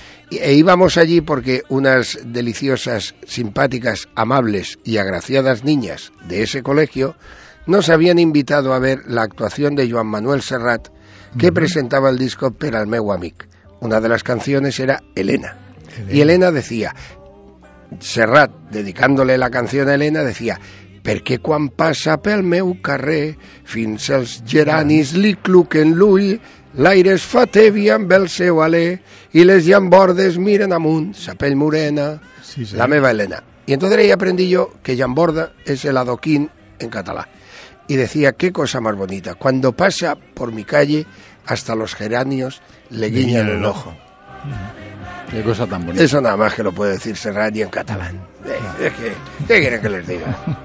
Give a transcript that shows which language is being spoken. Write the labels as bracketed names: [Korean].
[Spanish] E íbamos allí porque unas deliciosas, simpáticas, amables y agraciadas niñas de ese colegio nos habían invitado a ver la actuación de Joan Manuel Serrat, que presentaba el disco Per al meu amic. Una de las canciones era Elena. Y Elena decía, Serrat, dedicándole la canción a Elena, decía: [Catalan] «Perquè quan passa pel meu carrer, fins els geranis li cluquen l'ull, l'aire es fa tevi amb el seu alè, i les llambordes miren amunt, sa pell morena, sí, sí, la meva Elena». [Spanish] Y entonces ahí aprendí yo que llamborda es el adoquín en catalán. Y decía, qué cosa más bonita, cuando pasa por mi calle, hasta los geranios le guiñan el ojo. Qué cosa tan bonita. Eso nada más que lo puede decir Serrat y en catalán. ¿Qué quieren que les diga?